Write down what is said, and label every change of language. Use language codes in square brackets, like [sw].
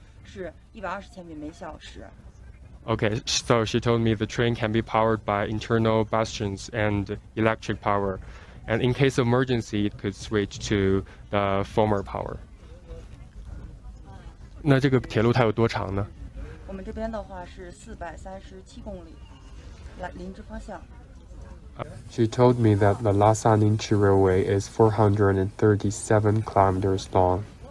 [zh] 您能帮我们更多的介绍一下这个列车的这个它的动力和整个它的里程和速度吗？我们这个车的话是双源动力动车组，往林芝方向的话是电力动车组160千米每小时，日喀则方向由于线路影响是120千米每小时。 [en] Okay, so she told me the train can be powered by internal bastions and electric power. And in case of emergency, it could switch to the former power. [zh] 那这个铁路它有多长呢? 我们这边的话是437公里，林芝方向。 [en] She told me that the Lhasa-Nyingchi Railway is 437 kilometers long.